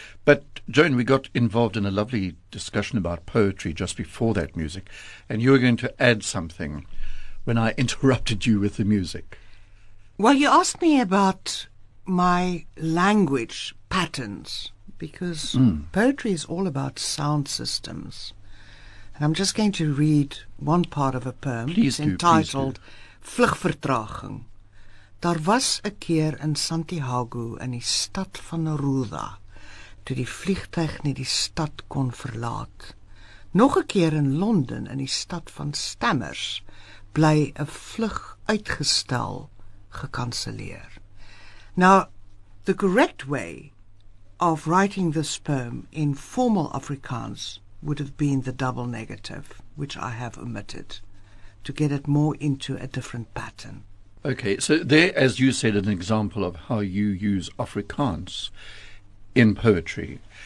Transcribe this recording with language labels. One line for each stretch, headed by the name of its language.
English: But, Joan, we got involved in a lovely discussion about poetry just before that music, and you were going to add something when I interrupted you with the music. Well, you asked me about my language patterns, because poetry is all about sound systems. And I'm just going to read one part of a poem. Please entitled Vlugvertraging.
Afrikaans: Daar was 'n keer in Santiago in die stad van Neruda, toe die vliegtuig nie die stad kon verlaat. Nog 'n keer in Londen in die stad van Stammers bly 'n vlug uitgestel gekanselleer.
English: Now, the correct way of writing this poem in formal Afrikaans would have been the double negative, which I have omitted, to get it more into a different pattern. Okay, so there, as you said, an example of how you use Afrikaans in poetry.